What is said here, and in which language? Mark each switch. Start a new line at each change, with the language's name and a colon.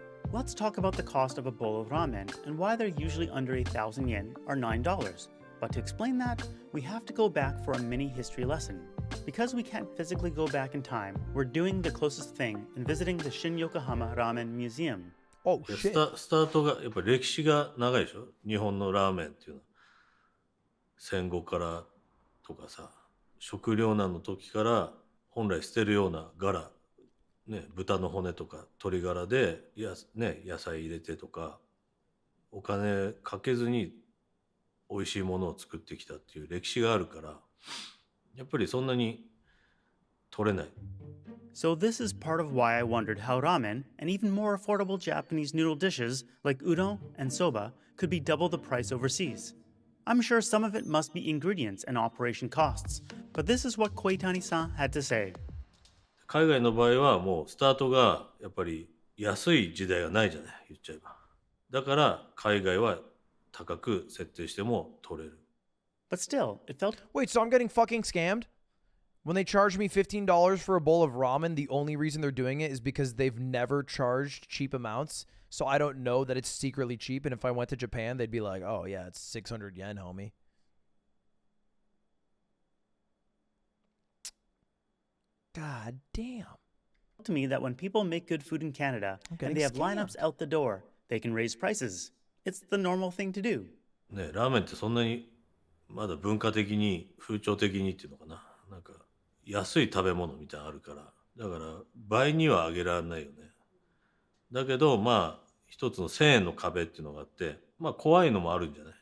English: Let's talk about the cost of a bowl of ramen and why they're usually under 1,000 yen or $9. But to explain that, we have to go back for a mini history lesson. Because we can't physically go back in time, we're doing the closest thing and visiting the Shin Yokohama Ramen Museum. Oh, shit.
Japanese: スタートがやっぱり歴史が長いでしょ日本のラーメンっていうのは。戦後からとかさ、食糧難の時から本来捨てるようなガラ、ね、豚の骨とか鶏ガラでや、ね、野菜入れてとか、お金かけずに美味しいものを作ってきたっていう歴史があるから、やっぱりそんなに取れない。
English: So this is part of why I wondered how ramen and even more affordable Japanese noodle dishes like udon and soba could be double the price overseas. I'm sure some of it must be ingredients and operation costs, but this is what Koitani-san had to say.
Japanese: 海外の場合はもうスタートがやっぱり安い時代がないじゃない、言っちゃえば。だから海外は高く設定しても取れる。
English: But still, it felt... Wait, so I'm getting fucking scammed? When they charge me $15 for a bowl of ramen, the only reason they're doing it is because they've never charged cheap amounts. So I don't know that it's secretly cheap. And if I went to Japan, they'd be like, oh, yeah, it's 600 yen, homie. God damn. To me that when people make good food in Canada and they have scammed. Lineups out the door, they can raise prices. It's the normal thing to do.
Japanese: ね、ラーメンってそんなにまだ文化的に風潮的にっていうのかな、なんか安い食べ物みたいなのあるから、だから倍には上げられないよね。だけどまあ一つの1000円の壁っていうのがあって、まあ怖いのもあるんじゃない。